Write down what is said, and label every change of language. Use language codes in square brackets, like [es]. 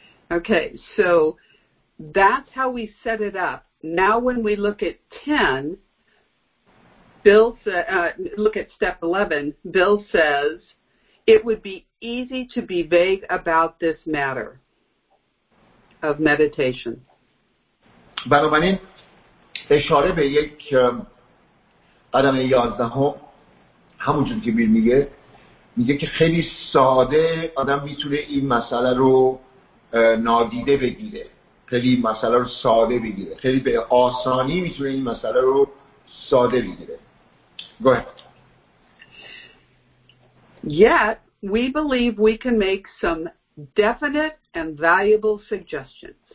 [en] Okay, so that's how we set it up. Now when we look at 10, Bill said, look at step 11. Bill says, it would be easy to be vague about this matter of meditation. [fa] بنابراین اشاره به یک آدم 11 همون جون که بیر میگه میگه که خیلی ساده آدم میتونه این مسئله رو نادیده بگیره، خیلی مسئله رو ساده بگیره، خیلی به آسانی میتونه این مسئله رو ساده بگیره. [en] Go ahead. Yet we believe we can make some definite and valuable suggestions.